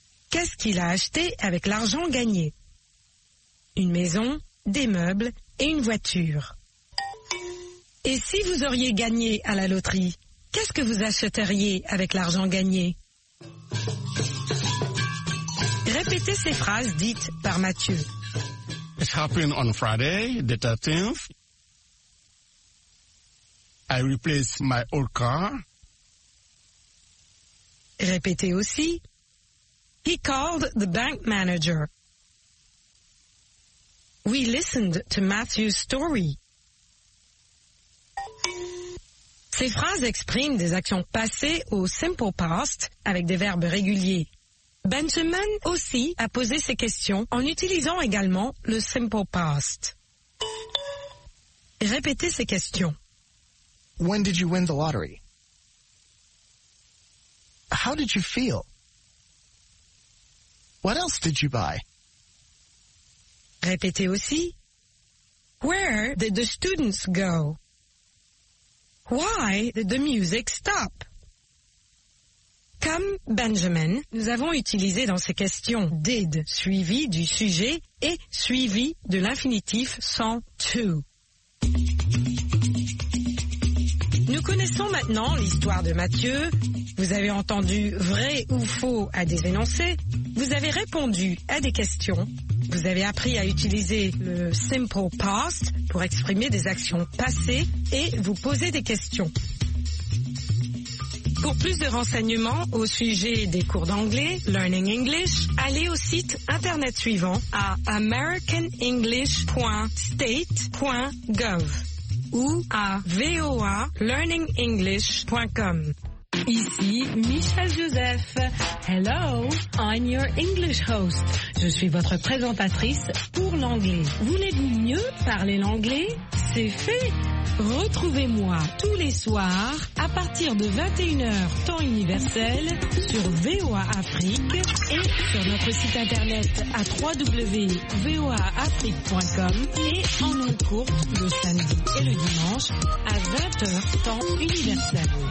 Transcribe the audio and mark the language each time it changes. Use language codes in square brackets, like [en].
[fr] Qu'est-ce qu'il a acheté avec l'argent gagné? Une maison, des meubles et une voiture. Et si vous auriez gagné à la loterie, qu'est-ce que vous achèteriez avec l'argent gagné? Répétez ces phrases dites par Mathieu. [en] It happened on Friday, the 13th. I replaced my old car. [fr] Répétez aussi. [en] He called the bank manager. We listened to Matthew's story. [fr] Ces phrases expriment des actions passées au simple past avec des verbes réguliers. Benjamin aussi a posé ces questions en utilisant également le simple past. Répétez ces questions. [en] When did you win the lottery? How did you feel? What else did you buy? [fr] Répétez aussi. [en] Where did the students go? Why did the music stop? [fr] Comme Benjamin, nous avons utilisé dans ces questions did suivi du sujet et suivi de l'infinitif sans to. Nous connaissons maintenant l'histoire de Mathieu. Vous avez entendu vrai ou faux à des énoncés. Vous avez répondu à des questions. Vous avez appris à utiliser le simple past pour exprimer des actions passées et vous poser des questions. Pour plus de renseignements au sujet des cours d'anglais, Learning English, allez au site internet suivant à americanenglish.state.gov ou à voalearningenglish.com. Ici Michel Joseph. [en] Hello, I'm your English host. [fr] Je suis votre présentatrice pour l'anglais. Voulez-vous mieux parler l'anglais? C'est fait! Retrouvez-moi tous les soirs à partir de 21h temps universel sur VOA Afrique et sur notre site internet à www.voaafrique.com et en longue courte le samedi et le dimanche à 20h temps universel.